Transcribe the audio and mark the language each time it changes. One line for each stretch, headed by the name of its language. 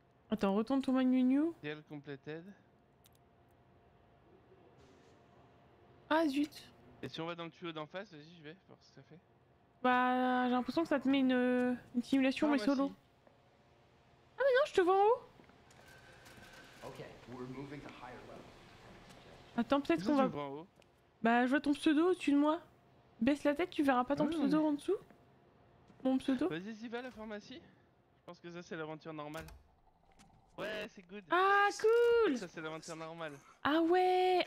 French: Attends, retourne ton menu new.
English: Deal completed.
French: Ah zut! Et si on va dans le tuyau d'en face, vas-y, je vais voir ce que ça fait. Bah, j'ai l'impression que ça te met une simulation, non, mais solo. Si. Ah, mais non, je te vois en haut!
English: Okay, we're moving to higher level.
French: Attends, peut-être qu'on va. Tu me vois en haut? Bah, je vois ton pseudo au-dessus de moi. Baisse la tête, tu verras pas ton pseudo en dessous. Mon pseudo. Vas-y, y va la pharmacie. Je pense que ça, c'est l'aventure normale. Ouais, c'est good. Ah, cool! Ça, c'est l'aventure normale. Ah ouais!